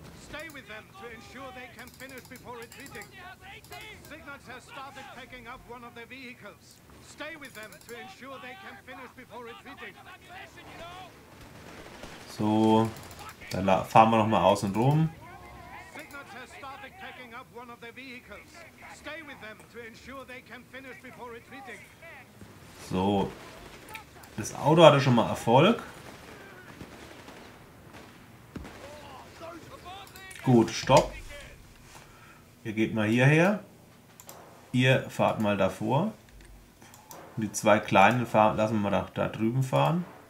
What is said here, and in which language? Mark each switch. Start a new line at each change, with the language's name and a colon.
English: Stay with them to ensure they can finish before retreating. Signals has started packing up one of their vehicles. Stay with them to ensure they can finish before retreating.
German: So, dann fahren wir nochmal außen rum.
English: Signals has started packing up one of their vehicles. Stay with them to ensure they can finish before retreating.
German: So, das Auto hatte schon mal Erfolg. Gut, stopp. Ihr geht mal hierher. Ihr fahrt mal davor. Die zwei kleinen fahren, lassen wir mal da drüben fahren.